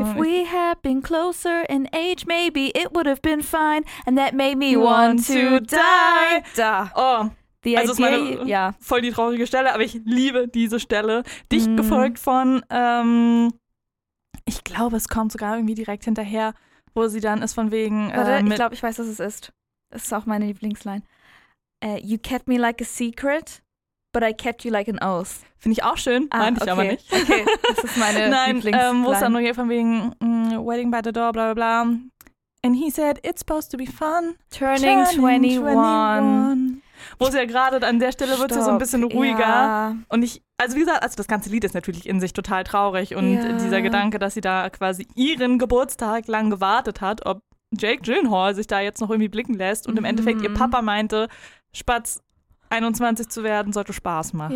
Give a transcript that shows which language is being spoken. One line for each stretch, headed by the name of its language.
English: If we had been closer in age, maybe it would have been fine. And that made me want to die.
German: Da. Oh.
English: The
German: also
English: idea,
German: ist meine, ja, voll die traurige Stelle, aber ich liebe diese Stelle. Dicht gefolgt von, ich glaube, es kommt sogar irgendwie direkt hinterher, wo sie dann ist von wegen. Warte, ich glaube, ich weiß, was es ist. Das ist auch meine Lieblingsline.
English: You kept me like a secret, but I kept you like an oath.
German: Finde ich auch schön, meinte ich aber nicht. Okay, das ist meine Lieblingsline. Nein, wo es dann nur hier von wegen,
English: wedding by the door,
German: bla bla bla.
English: And he said, it's supposed to be fun. Turning 21.
German: Wo sie ja gerade an der Stelle wird es ja so ein bisschen ruhiger. Ja. Und ich, also wie gesagt, also das ganze Lied ist natürlich in sich total traurig. Und ja, dieser Gedanke, dass sie da quasi ihren Geburtstag lang gewartet hat, ob Jake Gyllenhaal sich da jetzt noch irgendwie blicken lässt und im Endeffekt ihr Papa meinte, Spatz, 21 zu werden, sollte Spaß machen.